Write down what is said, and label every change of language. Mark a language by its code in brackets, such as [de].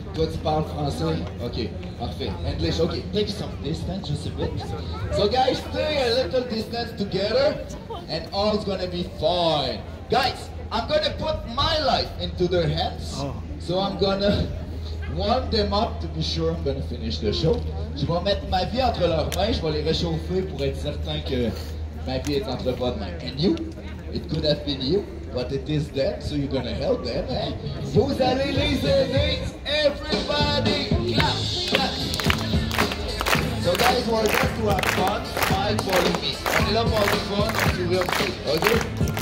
[fr] Toi, tu parles français? Okay, parfait. [en] English, okay, take some distance just a bit. So guys, stay a little distance together, and all's gonna be fine. Guys, I'm gonna put my life into their hands, so I'm gonna warm them up to be sure I'm gonna finish the show. [fr] Je vais mettre ma vie entre leurs mains, je vais les réchauffer pour être certain que ma vie est entre votre main. [en] And you, it could have been you, but it is them, so you're gonna help them, eh? [fr] Vous allez les aider, [en] everybody! Clap, clap! So guys, we're going to have fun, smile for me. [fr] On est là pour avoir du fun, [en] to be honest, ok?